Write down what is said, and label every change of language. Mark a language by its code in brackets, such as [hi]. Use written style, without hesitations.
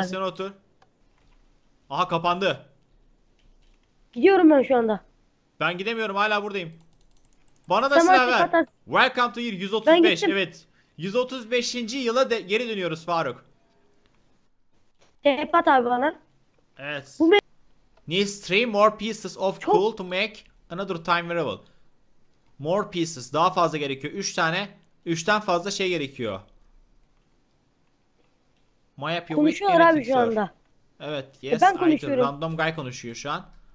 [tr] Evet, sen otur. Aha, kapandı. Gidiyorum ben şu anda. Ben gidemiyorum, hala buradayım. Bana da tamam, silah ver. Atar. [en] Welcome to year 135. Evet. 135. [tr] yıla geri dönüyoruz Faruk. Tepat abi bana. Evet. [en] Need 3 more pieces of coal to make another time variable. More pieces. [tr] Daha fazla gerekiyor. 3 tane. 3'ten fazla şey gerekiyor. Konuşuyorlar abi şu anda. Evet. Yes. Ben konuşuyorum. [en] Random guy [tr] konuşuyor şu an.